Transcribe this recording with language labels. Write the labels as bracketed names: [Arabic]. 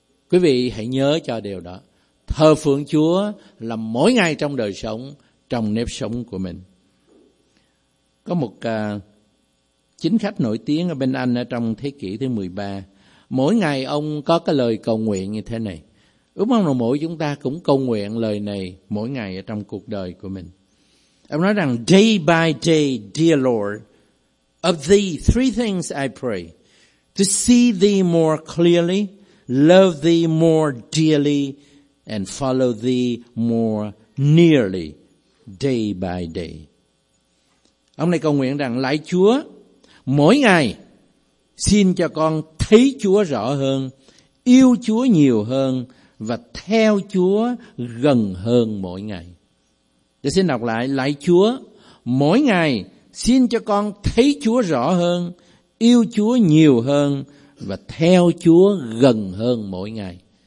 [Vietnamese] Quý vị hãy nhớ cho điều đó. Thờ phượng Chúa là mỗi ngày trong đời sống, trong nếp sống của mình. Có một chính khách nổi tiếng ở bên Anh ở trong thế kỷ thứ 13. Mỗi ngày ông có cái lời cầu nguyện như thế này. Ước mong là mỗi chúng ta cũng cầu nguyện lời này mỗi ngày ở trong cuộc đời của mình. Ông nói rằng: [English] day by day, dear Lord, of thee three things I pray: to see thee more clearly, love thee more dearly, and follow thee more nearly, day by day. [Vietnamese] Ông này cầu nguyện rằng: lạy Chúa, mỗi ngày xin cho con thấy Chúa rõ hơn, yêu Chúa nhiều hơn và theo Chúa gần hơn mỗi ngày. Tôi xin đọc lại: lạy Chúa, mỗi ngày xin cho con thấy Chúa rõ hơn, yêu Chúa nhiều hơn và theo Chúa gần hơn mỗi ngày.